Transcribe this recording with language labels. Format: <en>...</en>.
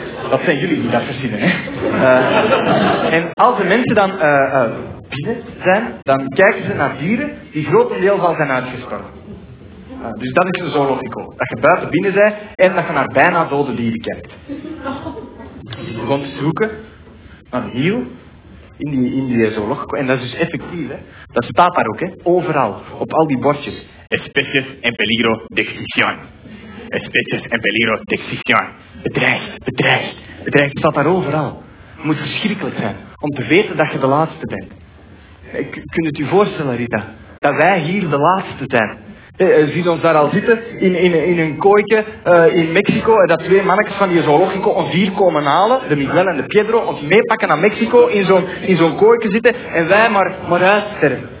<nl>Dat zijn jullie die dat verzinnen, hè. En als de mensen dan binnen zijn, dan kijken ze naar dieren die grotendeels al zijn uitgestorven. Dus dat is een zoologico. Dat je buiten binnen bent en dat je naar bijna dode dieren kijkt. Dus ik begon te zoeken naar de Niel in die zoologico. En dat is dus effectief, hè. Dat staat daar ook, hè. Overal. Op al die bordjes.</nl> <es>Especies en peligro de extinción. Especies en peligro de extinción.</es> <nl>Bedreigd. Het staat daar overal. Het moet verschrikkelijk zijn om te weten dat je de laatste bent. Kun je het u voorstellen, Rita, dat wij hier de laatste zijn? Ziet ons daar al zitten, in een kooitje in Mexico, en dat twee mannetjes van die zoologico ons hier komen halen, de Miguel en de Pedro, ons meepakken naar Mexico, in zo'n kooitje zitten, en wij maar uitsterven.</nl>